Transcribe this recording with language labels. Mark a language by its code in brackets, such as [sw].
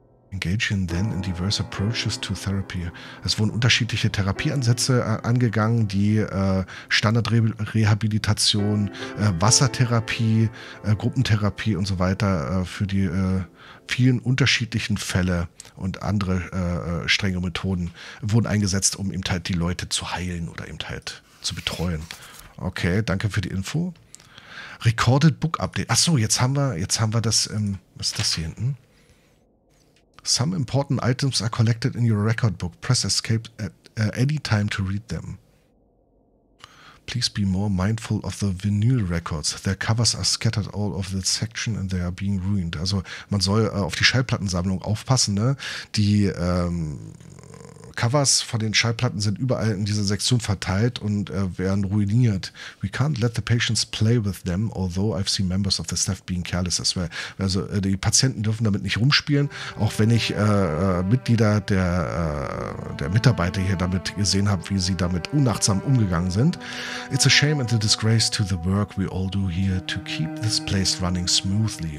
[en] Engaging then in diverse approaches to therapy. [de] Es wurden unterschiedliche Therapieansätze angegangen, die Standardrehabilitation, Wassertherapie, Gruppentherapie und so weiter für die vielen unterschiedlichen Fälle und andere strenge Methoden wurden eingesetzt, um eben halt die Leute zu heilen oder eben halt zu betreuen. Okay, danke für die Info. [en] Recorded Book Update. [de] Achso, jetzt haben wir das, was ist das hier hinten? [en] Some important items are collected in your record book. Press escape at any time to read them. Please be more mindful of the vinyl records. Their covers are scattered all over the section and they are being ruined. [de] Also man soll auf die Schallplattensammlung aufpassen, ne? Die Covers von den Schallplatten sind überall in dieser Sektion verteilt und werden ruiniert. [en] We can't let the patients play with them, although I've seen members of the staff being careless as well. [de] Also die Patienten dürfen damit nicht rumspielen, auch wenn ich Mitglieder der Mitarbeiter hier damit gesehen habe, wie sie damit unachtsam umgegangen sind. [en] It's a shame and a disgrace to the work we all do here to keep this place running smoothly.